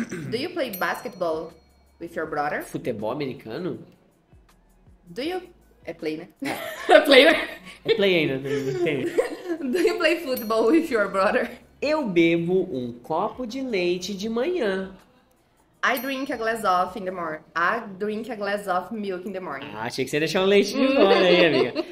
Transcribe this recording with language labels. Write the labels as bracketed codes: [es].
[en] Do you play basketball with your brother? [pt] Futebol americano? [en] Do you... [pt] É play, né? É play, né? É play ainda, não tem. [en] Do you play football with your brother? [pt] Eu bebo um copo de leite de manhã. [en] I drink a glass of in the morning. I drink a glass of milk in the morning. [pt] Ah, achei que você ia deixar o leite de fora aí, amiga.